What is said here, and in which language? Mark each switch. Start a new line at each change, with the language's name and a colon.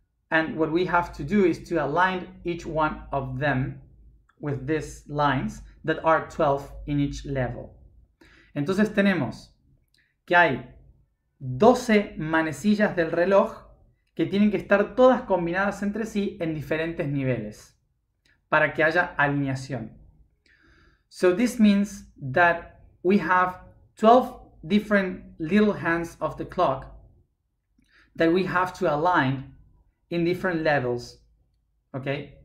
English: And what we have to do is to align each one of them with these lines that are 12 in each level.
Spanish: Entonces tenemos que hay 12 manecillas del reloj que tienen que estar todas combinadas entre sí en diferentes niveles para que haya alineación.
English: So this means that we have 12 different little hands of the clock that we have to align in different levels, okay?